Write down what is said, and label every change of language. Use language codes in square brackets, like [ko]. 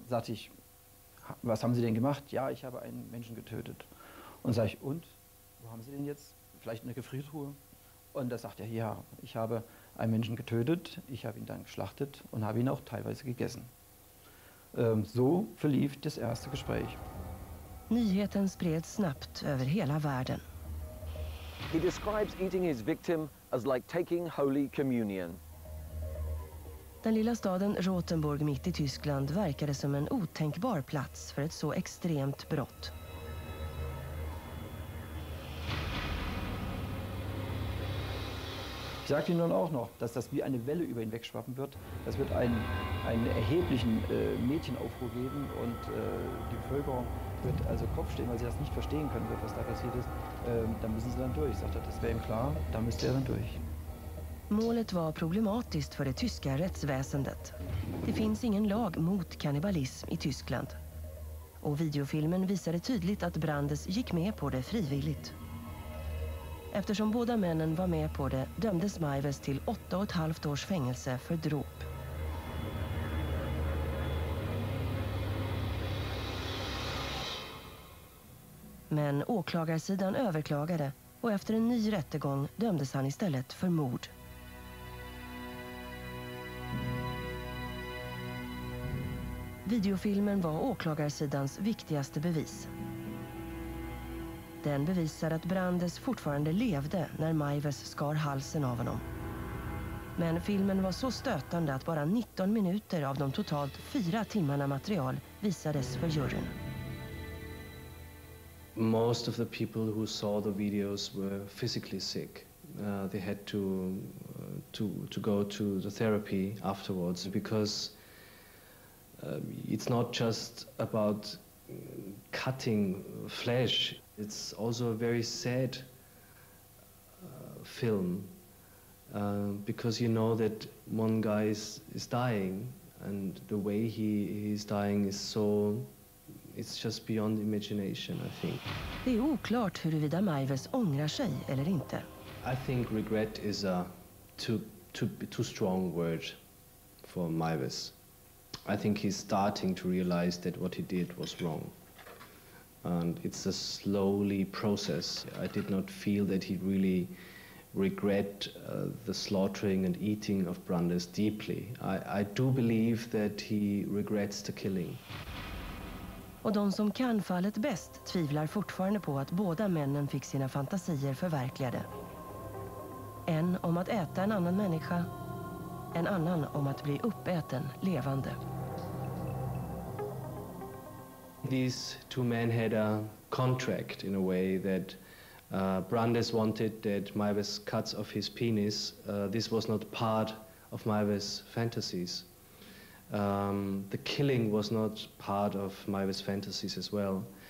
[de] Sagte ich, was haben Sie denn gemacht? Ja, ich habe einen Menschen getötet. Und sage ich, und? Wo haben Sie den jetzt? Vielleicht in der Gefriertruhe? Und da sagt er, ja, ich habe einen Menschen getötet, ich habe ihn dann geschlachtet und habe ihn auch teilweise gegessen. So verlief das erste Gespräch. [sv] Nyheten spreds snabbt över hela världen. [en] He describes eating his victim as like taking holy communion. [sv] Den lilla staden Rothenburg mitt i Tyskland verkade som en otänkbar plats för ett så extremt brott. [de] Ich sagte Ihnen auch noch, dass das wie eine Welle über ihn wegschwappen wird. Das wird einen erheblichen Medienaufruhr geben und die Bevölkerung wird also Kopf stehen, weil sie das nicht verstehen können wird, was da passiert ist. Da müssen sie dann durch, sagt er. Das wäre ihm klar, da müsste er dann durch. [sv] Målet war problematisch für det tyska rättsväsendet. Det finns ingen lag mot kannibalism i Tyskland. Och videofilmen visade tydligt att Brandes gick med på det frivilligt. Eftersom båda männen var med på det dömdes Maives till 8,5 års fängelse för dråp. Men åklagarsidan överklagade och efter en ny rättegång dömdes han istället för mord. Videofilmen var åklagarsidans viktigaste bevis. Den bevisar att Brandes fortfarande levde när Maives skar halsen av honom. Men filmen var så stötande att bara 19 minuter av de totalt 4 timmarna material visades för juryn. [en] Most of the people who saw the videos were physically sick. They had to go to the therapy afterwards because it's not just about cutting flesh. It's also a very sad film because you know that one guy is dying, and the way he's dying is so, it's just beyond imagination, I think. [sv] Det är oklart huruvida Maives ångrar sig eller inte. [en] I think regret is a too strong word for Maives. I think he's starting to realize that what he did was wrong. And it's a slowly process. I did not feel that he really regret the slaughtering and eating of Brandes deeply. I do believe that he regrets the killing. [sv] Och de som kan fallet bäst tvivlar fortfarande på att båda männen fick sina fantasier förverkligade. En om att äta en annan människa, en annan om att bli uppäten levande. [en] These two men had a contract in a way that Brandes wanted that Maives cuts off his penis. This was not part of Maives' fantasies. The killing was not part of Maives' fantasies as well.